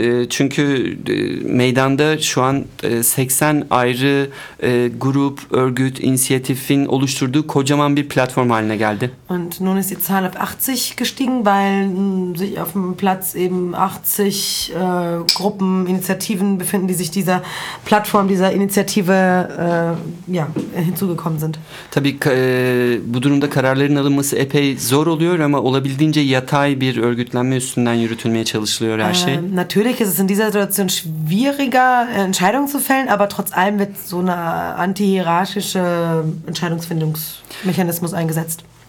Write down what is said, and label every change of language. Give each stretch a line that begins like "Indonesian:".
Turkish: Çünkü meydanda şu an 80 ayrı grup, örgüt, inisiyatifin oluşturduğu kocaman bir platform haline geldi.
German: Und nun ist die Zahl auf 80 gestiegen, weil sich auf dem Platz eben 80 Gruppen, Initiativen befinden, die sich dieser Plattform, dieser Initiative ja, hinzugekommen sind.
Turkish: Tabii bu durumda kararların alınması epey zor oluyor ama olabildiğince yatay bir örgütlenme üstünden yürütülmeye çalışılıyor her şey.
German: Natürlich ist es in dieser Situation schwieriger, Entscheidungen zu fällen, aber trotz allem wird so eine antihierarchische Entscheidungsfindungsmechanismus eingesetzt.